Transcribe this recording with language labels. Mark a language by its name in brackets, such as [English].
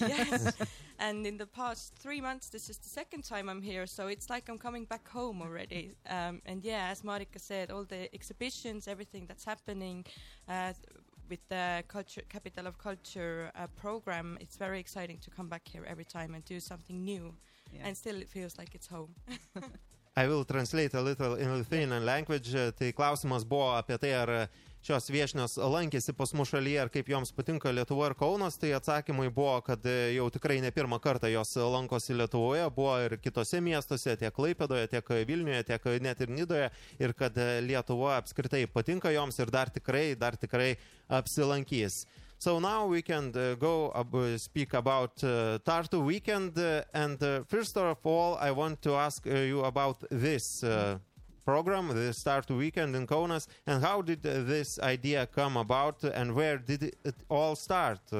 [English] Yes, and in the past 3 months, this is the second time I'm here, so it's like I'm coming back home already. And yeah, as Marika said, all the exhibitions, everything that's happening with the Culture Capital of Culture program, it's very exciting to come back here every time and do something new, yeah. And still it feels like it's home. I will translate a little in Lithuanian language. [Lithuanian] Tai klausimas buvo apie tai, ar šios viešnios lankėsi pas mūsų šalyje, ar kaip joms patinka Lietuva ir Kaunas. Tai atsakymai buvo, kad jau tikrai ne pirmą kartą jos lankosi Lietuvoje, buvo ir kitose miestuose, tiek Klaipėdoje, tiek Vilniuje, tiek net ir Nidoje. Ir kad Lietuva apskritai patinka joms ir dar tikrai apsilankys. [English] So now we can go speak about Tartu Weekend and first of all I want to ask you about this program, the Tartu Weekend in Kaunas and how did this idea come about and where did it all start?